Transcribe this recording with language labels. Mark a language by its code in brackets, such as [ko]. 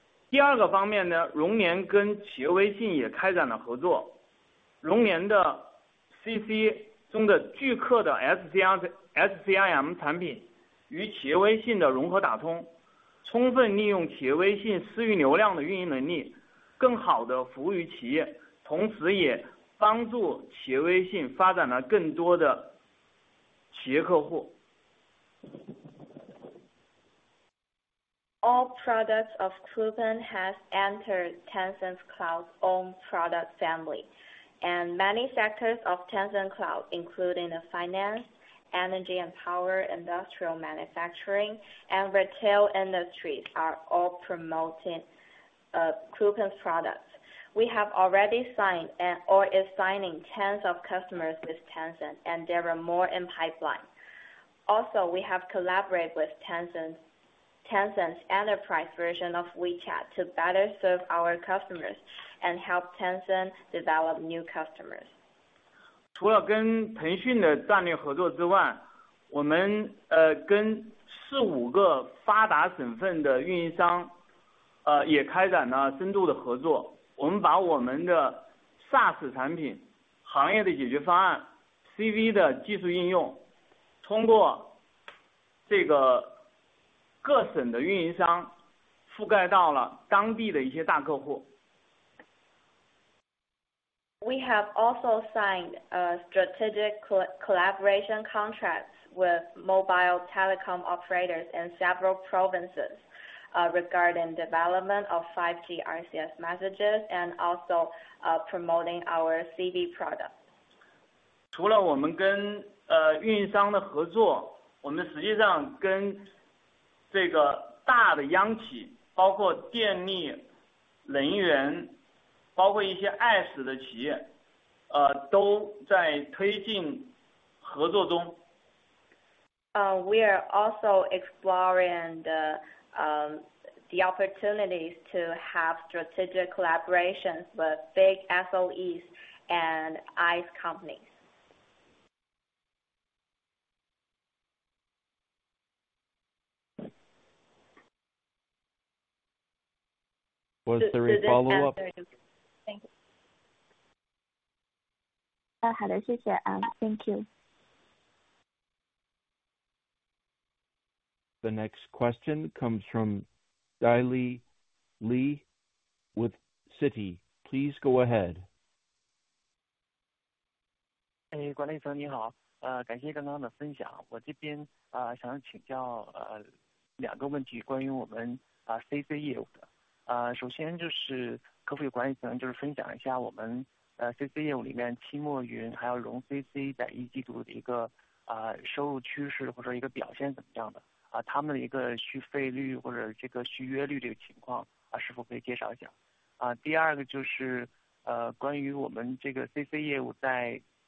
[zh] 第二个方面呢，融联跟企业微信也开展了合作，融联的 CC 中的巨客的 SCIM 产品与企业微信的融合打通，充分利用企业微信私域流量的运营能力，更好的服务于企业，同时也帮助企业微信发展了更多的企业客户。 [en] All products of Coupang has entered Tencent Cloud's own product family, and many sectors of Tencent Cloud, including the finance, energy and power, industrial manufacturing, and retail industries, are all promoting Coupang's products. We have already signed or is signing tens of customers with Tencent, and there are more in pipeline. Also, we have collaborated with Tencent's enterprise version of WeChat to better serve our customers and help Tencent develop new customers. [zh] 除了跟腾讯的战略合作之外，我们跟4-5个发达省份的运营商也开展了深度的合作。我们把我们的 SaaS 产品、行业的解决方案、CV 的技术应用，通过这个各省的运营商覆盖到了当地的一些大客户。 [en] We have also signed a strategic collaboration contracts with mobile telecom operators in several provinces, regarding development of 5G RCS messages and also promoting our CV product. [zh] 除了我们跟运营商的合作，我们实际上跟这个大的央企，包括电力、能源，包括一些 IaaS 的企业，都在推进合作中。 [en] We are also exploring the opportunities to have strategic collaborations with big SOEs and IaaS companies. Was there a follow-up? Thank you. [zh] 好的，谢谢啊， [en] Thank you. The next question comes from Daily Li with Citi. Please go ahead. [zh] 哎，管理层你好，感谢刚刚的分享。我这边想请教两个问题，关于我们CC 业务的。首先就是可否有管理层就是分享一下我们CC 业务里面期末云还有融 CC 在一季度的一个收入趋势或者一个表现怎么样的他们的一个续费率或者这个续约率这个情况是否可以介绍一下第二个就是关于我们这个 CC 业务在